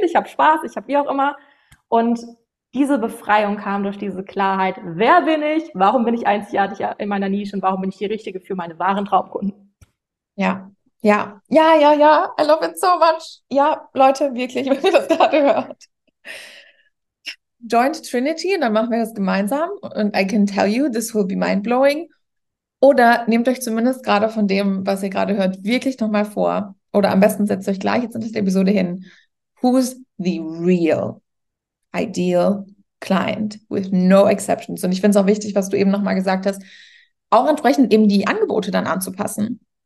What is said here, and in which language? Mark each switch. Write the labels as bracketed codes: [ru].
[de] Ich habe Spaß, ich habe wie auch immer. Und diese Befreiung kam durch diese Klarheit, wer bin ich? Warum bin ich einzigartig in meiner Nische und warum bin ich die Richtige für meine wahren Traumkunden? [en] Ja, I love it so much. [de] Ja, Leute, wirklich, wenn ihr das gerade hört. Joint Trinity, und dann machen wir das gemeinsam. Und [en] I can tell you, this will be mind-blowing. [de] Oder nehmt euch zumindest gerade von dem, was ihr gerade hört, wirklich nochmal vor. Oder am besten setzt euch gleich jetzt in der Episode hin. [en] Who's the real ideal client with no exceptions? [de] Und ich finde es auch wichtig, was du eben nochmal gesagt hast, auch entsprechend eben die Angebote dann anzupassen.